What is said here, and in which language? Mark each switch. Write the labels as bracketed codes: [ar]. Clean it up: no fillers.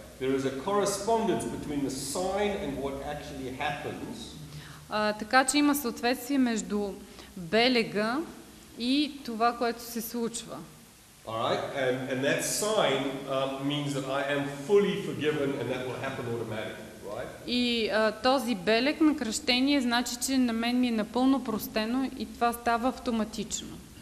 [en] There is a correspondence between the sign and what actually happens. [bg] Така че има съответствие между белега и това, което се случва. [en] All right, and that sign means that I am fully forgiven and that will happen automatically, right? [bg] И този белег на кръщение значи, че на мен ми е напълно простено и това става автоматично.